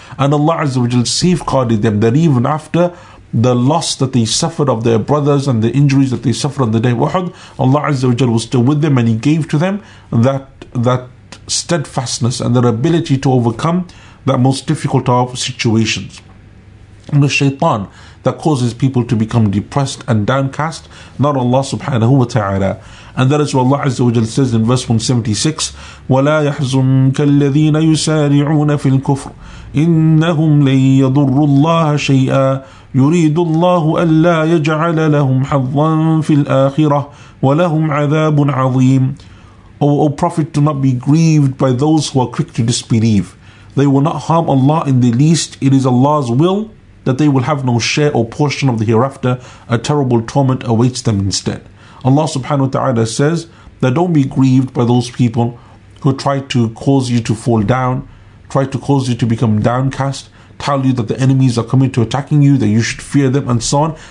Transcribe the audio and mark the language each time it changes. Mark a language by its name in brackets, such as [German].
[English] And Allah Azza wa Jalla safeguarded them, that even after the loss that they suffered of their brothers and the injuries that they suffered on the day of Uhud, Allah Azza wa Jalla was still with them, and He gave to them that steadfastness and their ability to overcome that most difficult of situations. And the shaitan that causes people to become depressed and downcast, not Allah subhanahu wa ta'ala. And that is what Allah Azza wa Jalla says in verse 176, [Arabic] وَلَا يَحْزُنْكَ الَّذِينَ يُسَارِعُونَ فِي الْكُفْرِ إِنَّهُمْ لَنْ يَضُرُّ اللَّهَ شَيْئًا يُرِيدُ اللَّهُ أَلَّا يَجْعَلَ لَهُمْ حَظًّا فِي الْآخِرَةِ وَلَهُمْ عَذَابٌ عَظِيمٌ. [English] O Prophet, do not be grieved by those who are quick to disbelieve. They will not harm Allah in the least. It is Allah's will that they will have no share or portion of the hereafter. A terrible torment awaits them instead. Allah subhanahu wa ta'ala says that don't be grieved by those people who try to cause you to fall down, try to cause you to become downcast, tell you that the enemies are coming to attacking you, that you should fear them and so on.